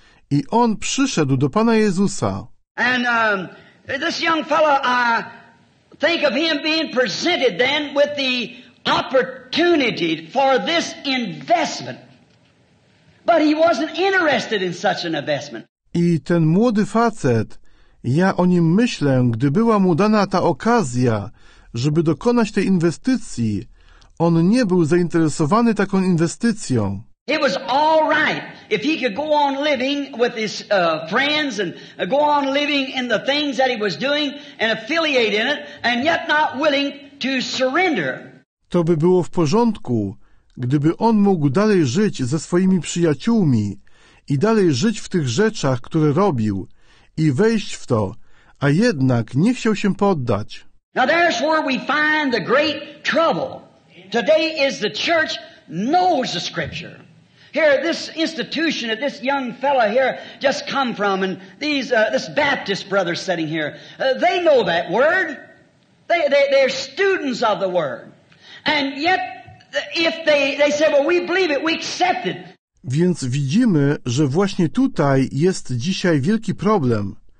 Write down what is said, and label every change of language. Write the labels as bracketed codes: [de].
[pl] I on przyszedł do Pana Jezusa. [en] And this young fellow, I think of him being presented then with the opportunity for this investment. But he wasn't interested in such an investment. [pl] I ten młody facet, ja o nim myślę, gdy była mu dana ta okazja, żeby dokonać tej inwestycji, on nie był zainteresowany taką inwestycją. [en] It was all right if he could go on living with his friends and go on living in the things that he was doing and affiliate in it and yet not willing to surrender. [pl] To by było w porządku, gdyby on mógł dalej żyć ze swoimi przyjaciółmi i dalej żyć w tych rzeczach, które robił i wejść w to, a jednak nie chciał się poddać. [en] Now there's where we find the great trouble. Today is the church knows the scripture. here, this institution that this young fellow here just come from, and these this Baptist brother sitting here, they know that word. They're students of the word. And yet, if they say, well, we believe it, we accept it. [pl] Więc widzimy, że właśnie tutaj jest dzisiaj wielki problem.